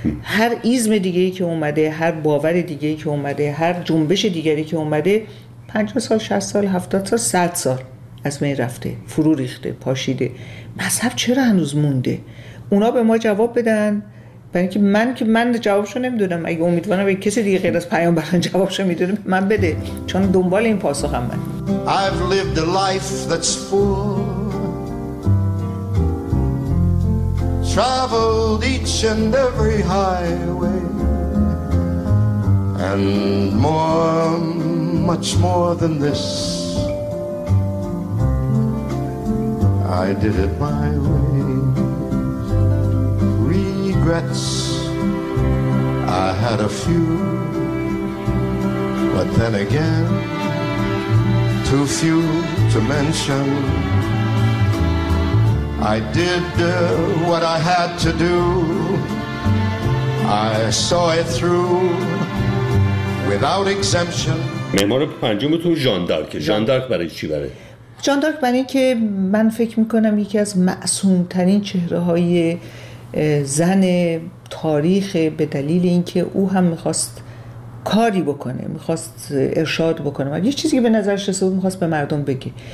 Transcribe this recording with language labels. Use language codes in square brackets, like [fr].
[fa] هر ایزم دیگه‌ای که اومده، هر باور دیگه‌ای که اومده، هر جنبش دیگری که اومده، 50 سال، 60 سال، 70 سال، 100 سال از بین رفته، فرو ریخته، پاشیده. مذهب چرا هنوز مونده؟ اونا به ما جواب بدن، برای اینکه من جوابشو نمیدونم. اگه امیدوارم به کسی دیگه غیر از پیامبران جوابشو میدونم، من بده، چون دنبال این پاسخم من. [en] I've lived a life that's full, traveled each and every highway, and more, much more than this, I did it my way. Regrets, I had a few, but then again, too few to mention. I did what I had to do, I saw it through without exemption. [fa] معمار پنجمتون ژان دارک. ژان دارک برای چی بره؟ ژان دارک برای اینکه من فکر میکنم یکی از معصومترین چهره های زن تاریخ، به دلیل اینکه او هم میخواست کاری بکنه، میخواست ارشاد بکنه، یه چیزی که به نظرش رسه بود میخواست به مردم بگه.